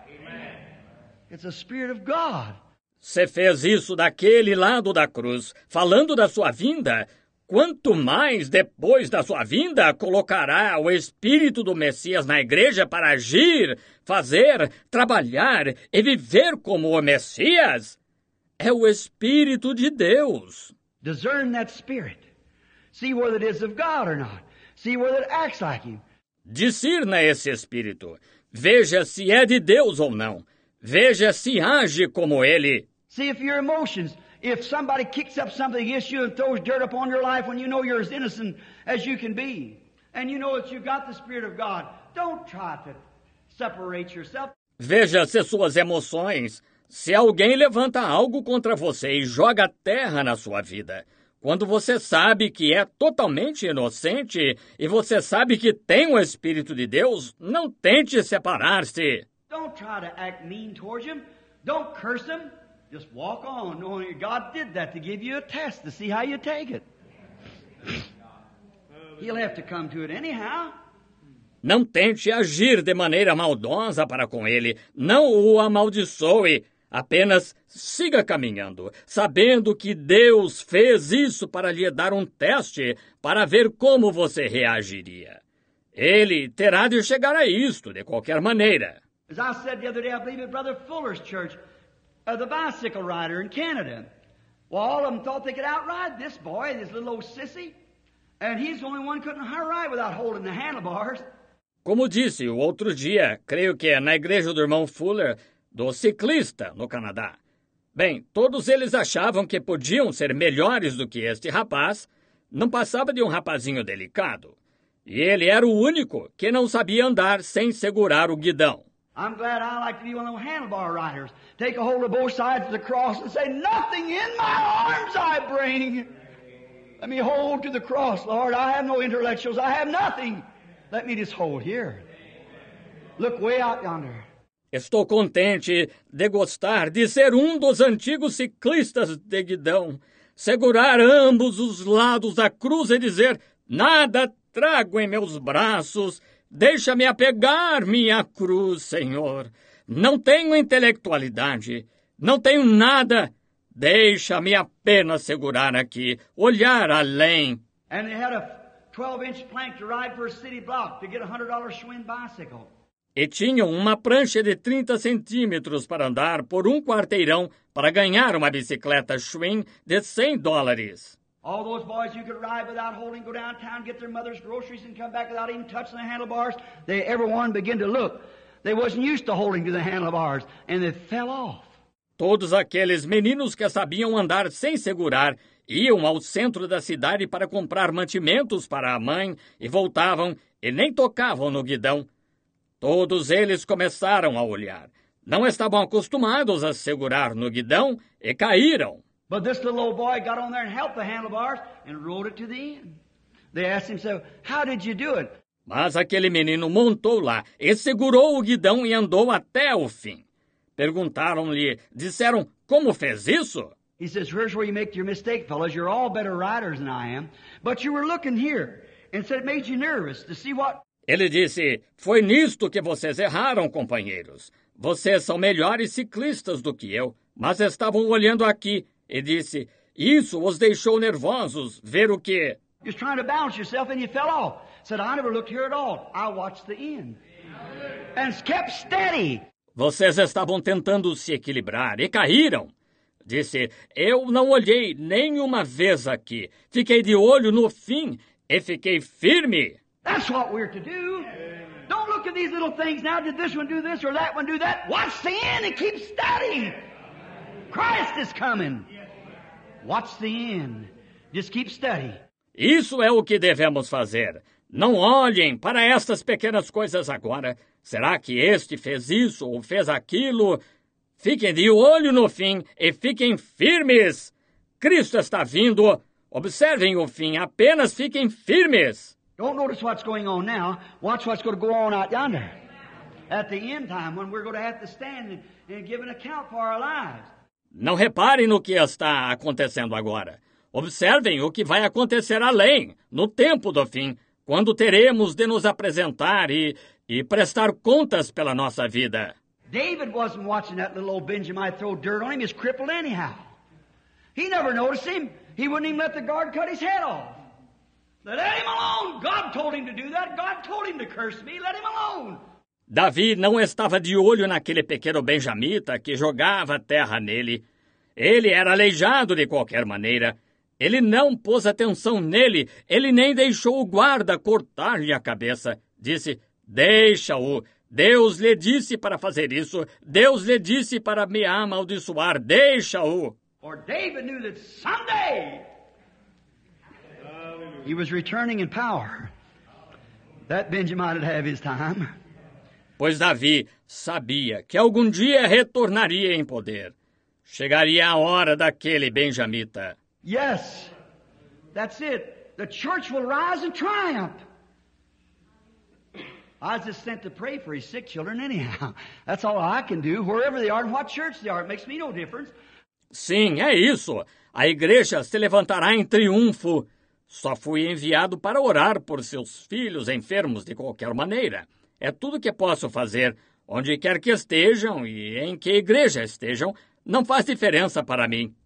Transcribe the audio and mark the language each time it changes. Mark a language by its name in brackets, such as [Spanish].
[English] Amen. It's the Spirit of God. [Portuguese] Se fez isso daquele lado da cruz, falando da sua vinda, quanto mais depois da sua vinda colocará o Espírito do Messias na igreja para agir, fazer, trabalhar e viver como o Messias? É o Espírito de Deus. [English] Discern that spirit. See whether it is of God or not. See whether it acts like him. [Portuguese] Discerna esse espírito. Veja se é de Deus ou não. Veja se age como ele. [English] See if your emotions, if somebody kicks up something against you and throws dirt upon your life when you know you're as innocent as you can be, and you know that you've got the Spirit of God, don't try to separate yourself. [Portuguese] Veja se suas emoções... Se alguém levanta algo contra você e joga terra na sua vida, quando você sabe que é totalmente inocente e você sabe que tem o Espírito de Deus, não tente separar-se. [English] Don't try to act mean towards him. Don't curse him. Just walk on. Only God did that to give you a test to see how you take it. He'll have to come to it anyhow. [Portuguese] Não tente agir de maneira maldosa para com ele. Não o amaldiçoe. Apenas siga caminhando, sabendo que Deus fez isso para lhe dar teste para ver como você reagiria. Ele terá de chegar a isto de qualquer maneira. [English] As I said the other day, I believe it, Brother Fuller's church, the bicycle rider in Canada. Well, all of them thought they could outride this boy, this little old sissy, and he's the only one who couldn't ride without holding the handlebars. [Portuguese] Como disse o outro dia, creio que é na igreja do irmão Fuller, do ciclista no Canadá. Bem, todos eles achavam que podiam ser melhores do que este rapaz. Não passava de rapazinho delicado. E ele era o único que não sabia andar sem segurar o guidão. [English] I'm glad I like to be one of those handlebar riders. Take a hold of both sides of the cross and say, nothing in my arms I bring. Let me hold to the cross, Lord. I have no intellectuals. I have nothing. Let me just hold here. Look way out yonder. [Portuguese] Estou contente de gostar de ser dos antigos ciclistas de guidão, segurar ambos os lados da cruz e dizer, nada trago em meus braços, deixa-me apegar minha cruz, Senhor. Não tenho intelectualidade, não tenho nada, deixa-me apenas segurar aqui, olhar além. E eles tinham uma [English] 12-inch plank [Portuguese] para [English] ride [Portuguese] para um [English] city block [Portuguese] para [English] get a $100 Schwinn bicycle. [Portuguese] E tinham uma prancha de 30 centímetros para andar por quarteirão para ganhar uma bicicleta Schwinn de $100. [English] All those boys you could ride without holding, go downtown, get their mother's groceries and come back without even touching the handlebars, they every one begin to look. They wasn't used to holding to the handlebars and they fell off. [Portuguese] Todos aqueles meninos que sabiam andar sem segurar iam ao centro da cidade para comprar mantimentos para a mãe e voltavam e nem tocavam no guidão. Todos eles começaram a olhar. Não estavam acostumados a segurar no guidão e caíram. [English] But this little old boy got on there and helped the handlebars and rode it to the end. They asked him, so how did you do it? [Portuguese] Mas aquele menino montou lá e segurou o guidão e andou até o fim. Perguntaram-lhe, disseram, como fez isso? [English] He says, here's where you make your mistake, fellas. You're all better riders than I am. But you were looking here. And so it made you nervous to see what... [Portuguese] Ele disse, foi nisto que vocês erraram, companheiros. Vocês são melhores ciclistas do que eu, mas estavam olhando aqui. E disse, isso os deixou nervosos, ver o quê? [English] You're trying to balance yourself and you fell off. Said, I never looked here at all. I watched the end. And kept steady. [Portuguese] Vocês estavam tentando se equilibrar e caíram. Disse, eu não olhei nenhuma vez aqui. Fiquei de olho no fim e fiquei firme. [English] That's what we're to do. Don't look at these little things now. Did this one do this or that one do that? Watch the end and keep steady. Christ is coming. Watch the end. Just keep steady. [Portuguese] Isso é o que devemos fazer. Não olhem para estas pequenas coisas agora. Será que este fez isso ou fez aquilo? Fiquem de olho no fim e fiquem firmes. Cristo está vindo. Observem o fim. Apenas fiquem firmes. [English] Don't notice what's going on now. Watch what's going to go on out yonder. At the end time, when we're going to have to stand and give an account for our lives. [Portuguese] Não reparem no que está acontecendo agora. Observem o que vai acontecer além, no tempo do fim, quando teremos de nos apresentar e prestar contas pela nossa vida. [English] David wasn't watching that little old Benjamite throw dirt on him. He's crippled anyhow. He never noticed him. He wouldn't even let the guard cut his head off. Let him alone. God told him to do that. God told him to curse me. Let him alone. [Portuguese] Davi não estava de olho naquele pequeno benjamita que jogava terra nele. Ele era aleijado de qualquer maneira. Ele não pôs atenção nele. Ele nem deixou o guarda cortar-lhe a cabeça. Disse, deixa-o. Deus lhe disse para fazer isso. Deus lhe disse para me amaldiçoar. Deixa-o. [English] Or David knew that someday he was returning in power. That Benjamin would have his time. [Portuguese] Pois Davi sabia que algum dia retornaria em poder. Chegaria a hora daquele benjamita. [English] Yes, that's it. The church will rise and triumph. I was just sent to pray for his sick children anyhow. That's all I can do, wherever they are and what church they are. It makes me no difference. [Portuguese] Sim, é isso. A igreja se levantará em triunfo. Só fui enviado para orar por seus filhos enfermos de qualquer maneira. É tudo que posso fazer. Onde quer que estejam e em que igreja estejam, não faz diferença para mim.